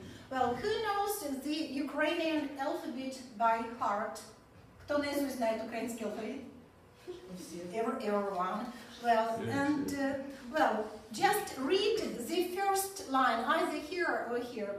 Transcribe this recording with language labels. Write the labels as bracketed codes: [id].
[en] Well, who knows the Ukrainian alphabet by heart? [ru] Кто наизусть знает украинский алфавит? [en] Everyone. Well, and just read the first line, either here or here.